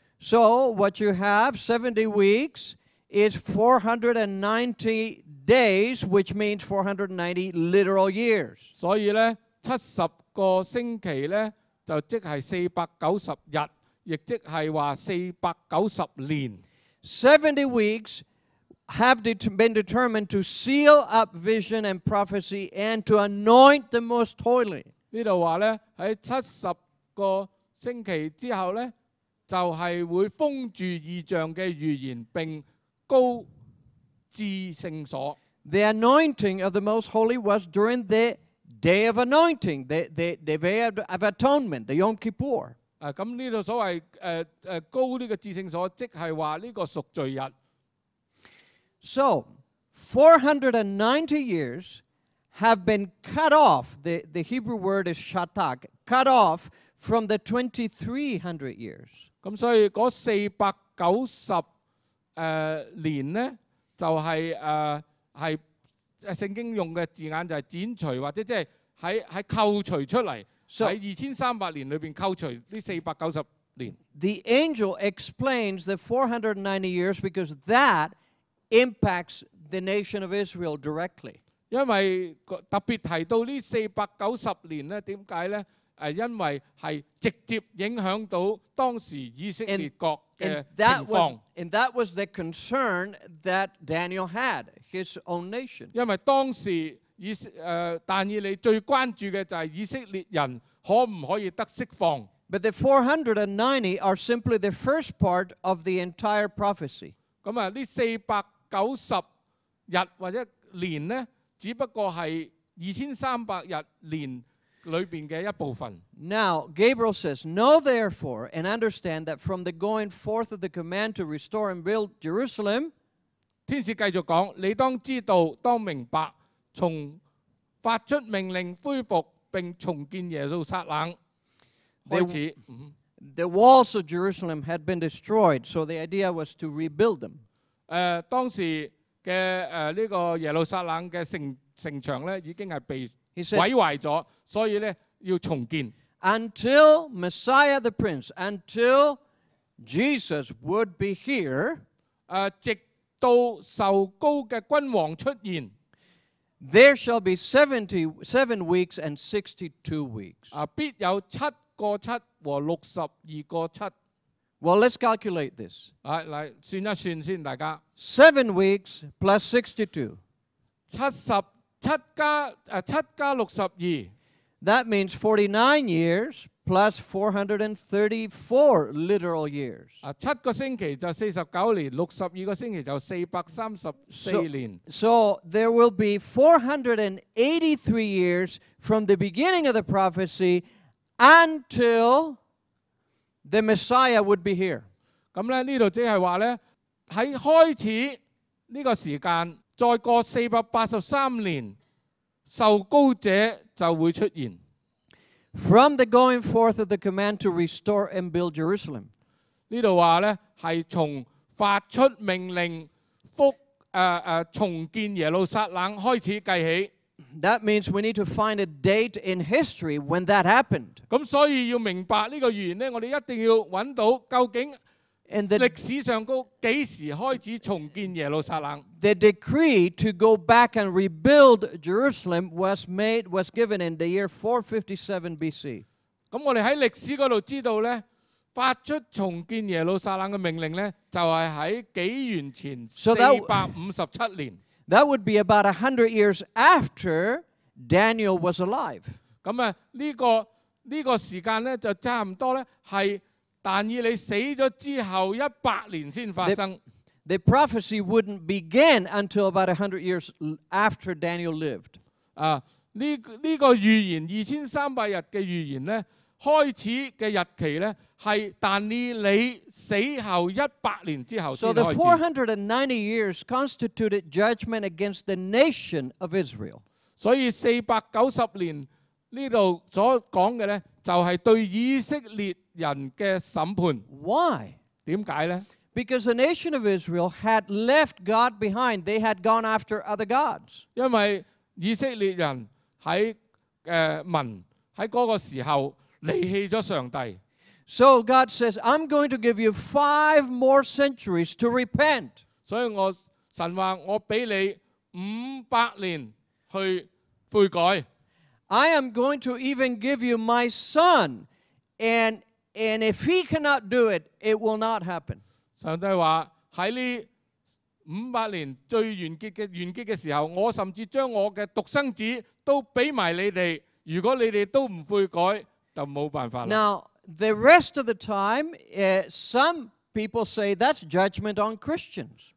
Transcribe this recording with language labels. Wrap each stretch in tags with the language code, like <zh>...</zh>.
<en>So what you have 70 weeks is 490 days, which means 490 literal years.</en> <yue>所以咧，70咧就即係490日，亦即係話490年。</yue> <en>70 weeks. Have been determined to seal up vision and prophecy and to anoint the most holy.</en> <yue>呢度话咧喺70个星期之后咧，就系会封住异象嘅预言，并高至圣所。</yue> <en>The anointing of the most holy was during the day of anointing, the day of atonement, the Yom Kippur.</en> <yue>咁呢度所谓高呢个至圣所，即系话呢个赎罪日。</yue> <en>So, 490 years have been cut off, the Hebrew word is shatak, cut off from the 2,300 years.</en> <yue>咁所以嗰490年咧，就係聖經用嘅字眼就係剪除或者即係喺扣除出嚟，喺2,300年裏邊扣除呢490年。</yue> <en>The angel explains the 490 years because that. Impacts the nation of Israel directly.</en> <yue>因為特別提到呢490年咧，點解咧？因為係直接影響到當時以色列國嘅情況。</yue> <en>And that was the concern that Daniel had, his own nation.</en> <yue>因為當時但以理最關注嘅就係以色列人可唔可以得釋放。</yue> <en>But the 490 are simply the first part of the entire prophecy.</en> <yue>咁啊，呢490日或者年咧，只不過係2,300日年裏邊嘅一部分。</yue> <en>Now Gabriel says, "Know therefore and understand that from the going forth of the command to restore and build Jerusalem."</en> <yue>天使繼續講：你當知道，當明白，從發出命令恢復並重建耶路撒冷開始。</yue> <en>The walls of Jerusalem had been destroyed, so the idea was to rebuild them.</en> <yue>當時嘅呢個耶路撒冷嘅城牆咧，已經係被毀壞咗，所以咧要重建。</yue> <en>Until Messiah the Prince, until Jesus would be here,</en> <yue>直到受膏嘅君王出現。</yue> <en>There shall be 77 weeks and 62 weeks.</en> <yue>必有七個七和六十二個七。</yue> <en>Well, let's calculate this.</en> <yue>来算一算先，大家。</yue> <en>7 weeks plus</en> <yue>62. 七加62.</yue> <en>That means 49 years plus 434 literal years.</en> <yue>七個星期就49年，62個星期就434年。</yue> <en>So there will be 483 years from the beginning of the prophecy until the Messiah would be here.</en> <yue>咁咧，呢度即係話咧，喺開始呢個時間，再過483年，受膏者就會出現。</yue> <en>From the going forth of the command to restore and build Jerusalem.</en> <yue>呢度話咧，係從發出命令復重建耶路撒冷開始計起。</yue> <en>That means we need to find a date in history when that happened.</en> <yue>咁所以要明白呢個預言咧，我哋一定要揾到究竟歷史上高幾時開始重建耶路撒冷。</yue> <en>The decree to go back and rebuild Jerusalem was given in the year 457 BC.</en> <yue>咁我哋喺歷史嗰度知道咧，發出重建耶路撒冷嘅命令咧，就係喺紀元前457年。</yue> <en>That would be about 100 years after Daniel was alive.</en> <yue>咁啊，呢個時間咧就差唔多咧，係但以理死咗之後100年先發生。</yue> <en>The prophecy wouldn't begin until about 100 years after Daniel lived.</en> <yue>呢個預言2300日嘅預言咧，開始嘅日期咧係但以理死後100年之後先開始。</yue> <en>So the 490 years constituted judgment against the nation of Israel.</en> <yue>所以490年呢度所講嘅咧，就係對以色列人嘅審判。</yue> <en>Why?</en> <yue>點解咧？</yue> <en>Because the nation of Israel had left God behind. They had gone after other gods.</en> <yue>因為以色列人喺民喺嗰個時候離棄咗上帝。</yue> <en>So God says, I'm going to give you 5 more centuries to repent.</en> <yue>所以神話我俾你500年去悔改。</yue> <en>I am going to even give you my son, and if he cannot do it, it will not happen.</en> <yue>上帝話喺呢500年最完結嘅時候，我甚至將我嘅獨生子都俾埋你哋。如果你哋都唔悔改，就冇辦法啦。</yue> <en>Now,the rest of the time, some people say that's judgment on Christians.</en>